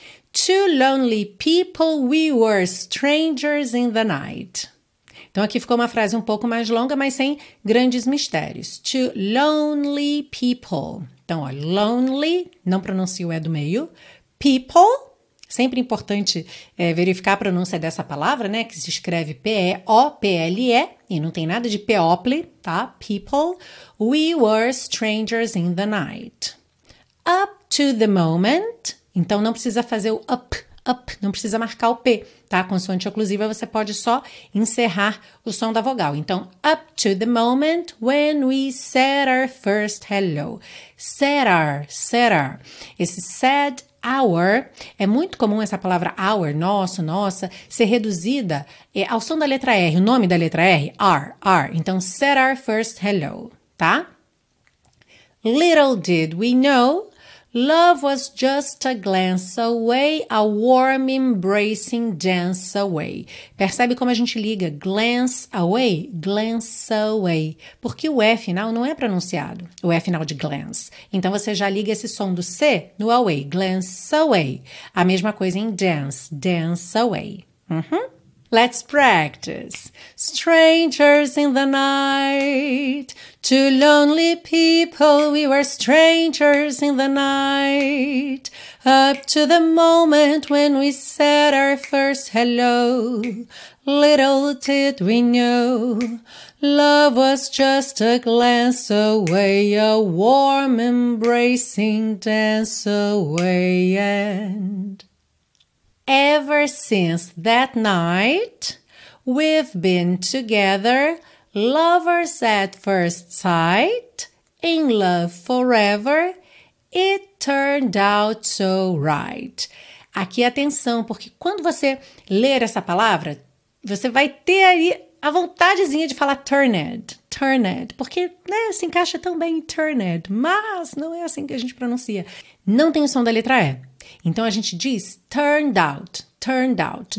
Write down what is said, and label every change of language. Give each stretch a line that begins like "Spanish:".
English: Two lonely people, we were strangers in the night.
Portuguese: Então aqui ficou uma frase um pouco mais longa, mas sem grandes mistérios.
English: Two lonely people.
Portuguese: Então, ó, lonely, não pronuncia o E do meio. People, sempre importante verificar a pronúncia dessa palavra, né? Que se escreve P-E-O-P-L-E. E não tem nada de people, tá?
English: People. We were strangers in the night. Up. To the moment,
Portuguese: então não precisa fazer o up, não precisa marcar o P, tá? A consoante oclusiva você pode só encerrar o som da vogal.
English: Então, up to the moment when we said our first hello. Said our, said our. Esse said our.
Portuguese: É muito comum essa palavra our, nosso, nossa, ser reduzida ao som da letra R, o nome da letra R, R, R. Então,
English: said our first hello,
Portuguese: tá?
English: Little did we know, love was just a glance away, a warm embracing dance away.
Portuguese: Percebe como a gente liga
English: glance away, glance away.
Portuguese: Porque o E final não é pronunciado, o E final de glance. Então você já liga esse som do C no away, glance away. A mesma coisa em dance, dance away.
English: Uhum. Let's practice. Strangers in the night, two lonely people, we were strangers in the night, up to the moment when we said our first hello. Little did we know, love was just a glance away, a warm embracing dance away. And ever since that night, we've been together, lovers at first sight, in love forever, it turned out so right.
Portuguese: Aqui, atenção, porque quando você ler essa palavra, você vai ter aí a vontadezinha de falar turned, turned, porque né, se encaixa tão bem em turned, mas não é assim que a gente pronuncia. Não tem o som da letra E. Então, a gente diz
English: turned out, turned out.